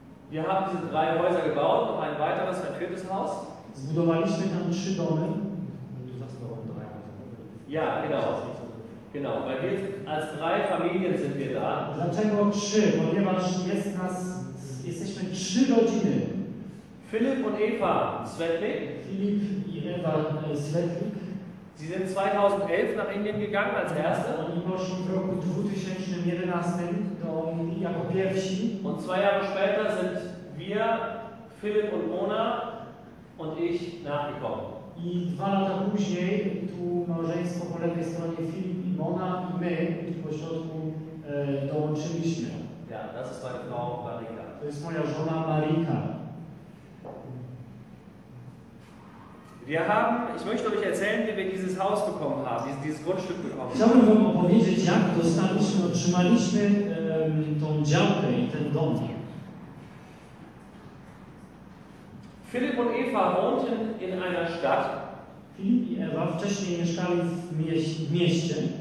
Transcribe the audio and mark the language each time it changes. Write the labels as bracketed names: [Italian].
[German] Wir haben diese drei Häuser gebaut, noch ein weiteres, ein viertes Haus. [Polish] Zbudowaliśmy tam trzy domy. [German] Du sagst noch drei. Ja, genau. Genau, weil wir als drei Familien sind wir da. [Polish] Dlaczego trzy? Ponieważ jest nas, jesteśmy trzy rodziny. [German] Philipp und Eva Svetlik. [Polish] Philipp i Eva Svetlik. [German] Sie sind 2011 nach Indien gegangen als Erste. [Polish] Oni poszli w roku 2011 do Indii jako pierwsi. [German] Und zwei Jahre später sind wir, Philipp und Mona und ich nachgekommen. [Polish] I dwa lata później tu małżeństwo po lewej stronie Philipp i Mona i my tu po środku dołączyliśmy. [German] Ja, das ist meine Frau Marika. [Polish] To jest moja żona Marika. [German] Wir haben, ich möchte euch erzählen, wie wir dieses Haus bekommen haben, dieses Grundstück bekommen. [Polish] Chciałbym wam opowiedzieć, jak dostaliśmy, otrzymaliśmy tą działkę i ten dom. [German] Philipp und Eva wohnten in einer Stadt. [Polish] Philipp i Ewa wcześniej mieszkali w mieście.